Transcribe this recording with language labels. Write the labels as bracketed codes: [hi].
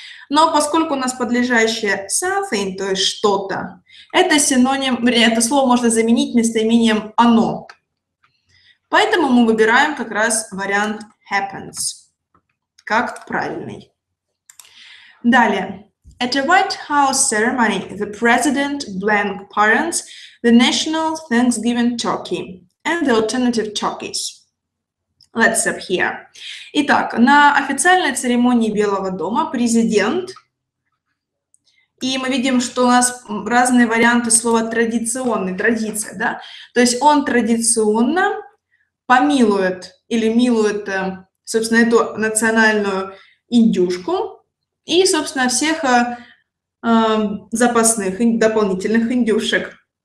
[ru] Но поскольку у нас подлежащее something, то есть что-то, это синоним, вернее, это слово можно заменить местоимением оно. Поэтому мы выбираем как раз вариант happens, как правильный. Далее. [en] At a White House ceremony, the president blank parents, the national Thanksgiving turkey and the alternative turkeys. Let's up here. [ru] Итак, на официальной церемонии Белого дома президент, и мы видим, что у нас разные варианты слова традиционный, традиция, да? То есть он традиционно помилует или милует, собственно, эту национальную индюшку и, собственно, всех запасных, дополнительных индюшек.